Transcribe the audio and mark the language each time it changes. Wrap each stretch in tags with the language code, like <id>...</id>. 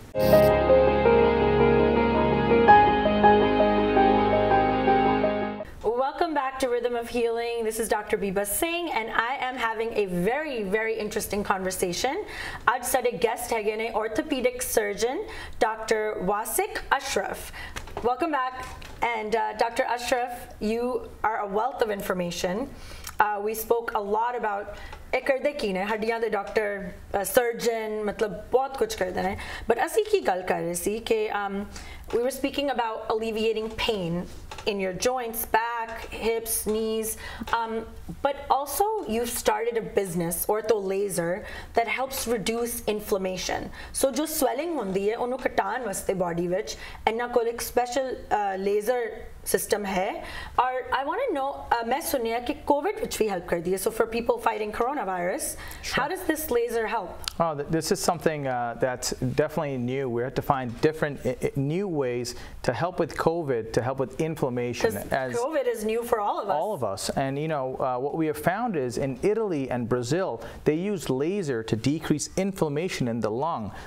<en>Welcome back to Rhythm of Healing. This is Dr. Biba Singh, and I am having a very, very interesting conversation.</en> <pa>Aaj sade guest hai gane, orthopedic surgeon, Dr.</pa> <en>Wasik Ashraf. Welcome back. And Dr. Ashraf, you are a wealth of information.</en> <pa>We spoke a lot about ਏ ਕਰਦੇ ਕੀ ਨੇ, ਹੱਡੀਆਂ ਦੇ doctor, surgeon, ਮਤਲਬ ਬਹੁਤ ਕੁਝ ਕਰਦੇ ਹੈਂ.</pa> <en>But ਅਸੀ ਕੀ ਗੱਲ ਕਰ ਰਹੇ ਸੀ ਕੇ we were speaking about alleviating pain in your joints, back, back, hips, knees, but also you've started a business, Ortho Laser, that helps reduce inflammation.</en> <pa>So ਜੋ swelling ਹੁੰਦੀ ਹੈ ਓਨੂੰ ਕੱਟਣ ਵਾਸਤੇ body ਵਿਚ, ਇੰਨਾ ਕੋਲ ਇਕ special laser system ਹੈ. ਔਰ I want to know, ਮੈਂ ਸੁਣੀ ਹੈ ਕਿ COVID ਵਿਚ ਭੀ help ਕਰਦੀ ਹੈ.</pa> <en>So for people fighting coronavirus, sure, how does this laser help? Oh, this is something that's definitely new. We have to find different new ways to help with COVID, to help with inflammation. As COVID is new for all of us. All of us. And you know, what we have found is in Italy and Brazil, they use laser to decrease inflammation in the lung.</en>